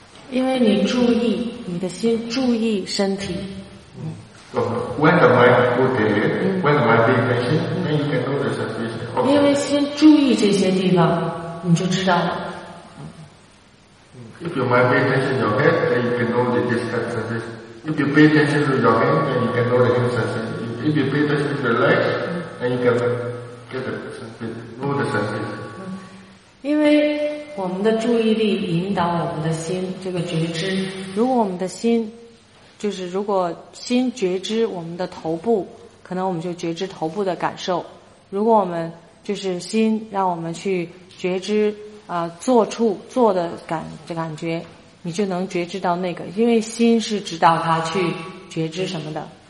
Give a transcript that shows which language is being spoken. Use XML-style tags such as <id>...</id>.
<zh>因为你注意，你的心注意身体。</zh> <en>When am I good at it? When am I being patient? Then you can notice that this.</en> <zh>因为先注意这些地方，你就知道了。</zh> <en>If you might pay attention to your head, then you can know the distance of this. If you pay attention to your hand, then you can know the sensation. If you pay attention to your legs, then you can get the sensation, know the sensation.</en> <zh>因为我们的注意力引导我们的心，这个觉知，如果我们的心就是如果心觉知我们的头部，可能我们就觉知头部的感受，如果我们就是心让我们去觉知坐处坐的感觉，你就能觉知到那个，因为心是指导他去觉知什么的。</zh>